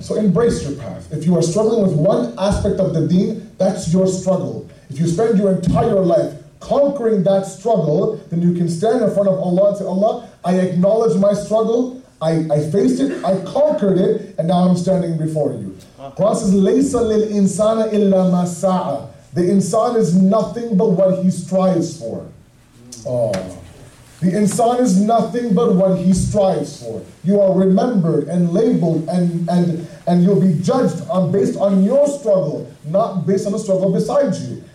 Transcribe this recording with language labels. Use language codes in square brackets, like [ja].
[en] So embrace your path. If you are struggling with one aspect of the deen, that's your struggle. If you spend your entire life conquering that struggle, then you can stand in front of Allah and say, Allah, I acknowledge my struggle. I faced it, I conquered it, and now I'm standing before you. Quran says, [ar] لَيْسَ لِلْإِنسَانَ إِلَّا مَا سَعَى. [en] The insan is nothing but what he strives for. Oh. The insan is nothing but what he strives for. You are remembered and labeled and you'll be judged on based on your struggle, not based on the struggle beside you.